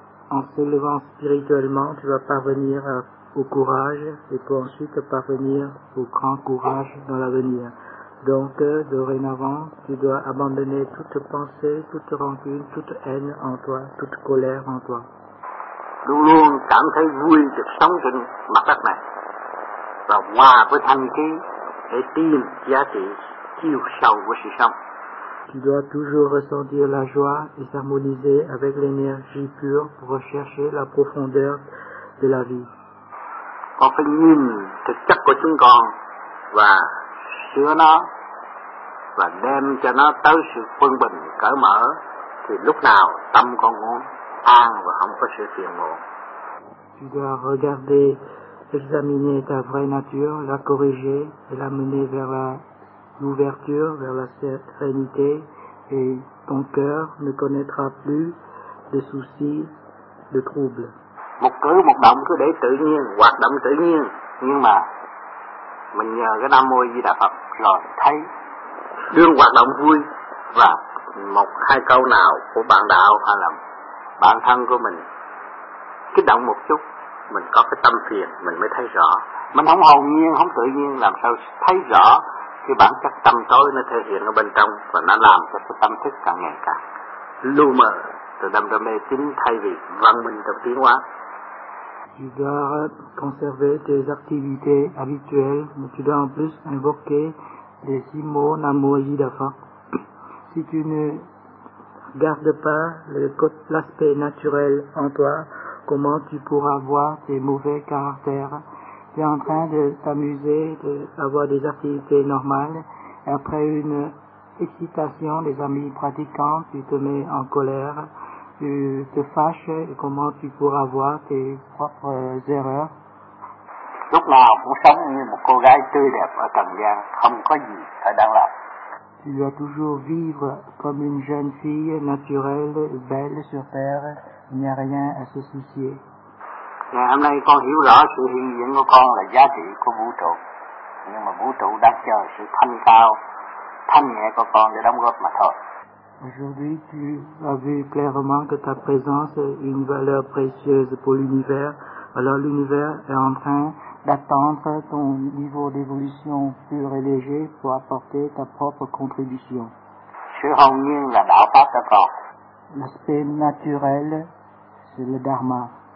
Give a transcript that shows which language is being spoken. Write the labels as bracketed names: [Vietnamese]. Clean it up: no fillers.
[French] En s'élevant spirituellement, tu vas parvenir à au courage et pour ensuite parvenir au grand courage dans l'avenir. Donc, dorénavant, tu dois abandonner toute pensée, toute rancune, toute haine en toi, toute colère en toi. [Vietnamese] Luôn luôn cảm thấy vui [French] de [Vietnamese] sống trên mặt đất này và hòa với thanh khí để tìm giá trị chiều sâu của sự sống. [French] Tu dois toujours ressentir la joie et s'harmoniser avec l'énergie pure pour rechercher la profondeur de la vie. [Vietnamese] Con phải nhìn thực chất của chúng con và sửa nó và đem cho nó tới sự phân bình cởi mở, thì lúc nào tâm con muốn an và không có sự phiền muộn. [French] Tu dois regarder, examiner ta vraie nature, la corriger et l'amener vers l'ouverture, vers la sérénité, et ton cœur ne connaîtra plus de soucis, de troubles. [Vietnamese] Một cử một động cứ để tự nhiên, hoạt động tự nhiên, nhưng mà mình nhờ cái Nam Mô A Di Đà Phật rồi thấy đương hoạt động vui, và một hai câu nào của bạn đạo hay là bản thân của mình kích động một chút, mình có cái tâm phiền, mình mới thấy rõ. Mình không hồn nhiên, không tự nhiên, làm sao thấy rõ cái bản chất tâm tối nó thể hiện ở bên trong, và nó làm cho cái tâm thức càng ngày càng lu mờ, từ đâm đâm mê tín thay vì văn minh trong tiến hóa. [French] Tu dois conserver tes activités habituelles, mais tu dois en plus invoquer les six mots Namo Ajidafa. Si tu ne gardes pas l'aspect naturel en toi, comment tu pourras voir tes mauvais caractères? Tu es en train de t'amuser, d'avoir des activités normales, et après une excitation des amis pratiquants, tu te mets en colère. Tu te fâches et comment tu pourras voir tes propres erreurs? [Vietnamese] Lúc nào cũng sống như một cô gái tươi đẹp ở trần gian, không có gì ở đằng lạc. [French] Tu dois toujours vivre comme une jeune fille naturelle, belle sur terre, il n'y a rien à se soucier. [Vietnamese] Ngày hôm nay con hiểu rõ sự hiện diện của con là giá trị của vũ trụ, nhưng mà vũ trụ đang chờ sự thanh cao, thanh nhẹ của con để đóng góp mà thôi. [French] Aujourd'hui, tu as vu clairement que ta présence est une valeur précieuse pour l'univers. Alors l'univers est en train d'attendre ton niveau d'évolution pur et léger pour apporter ta propre contribution. L'aspect naturel, c'est le dharma.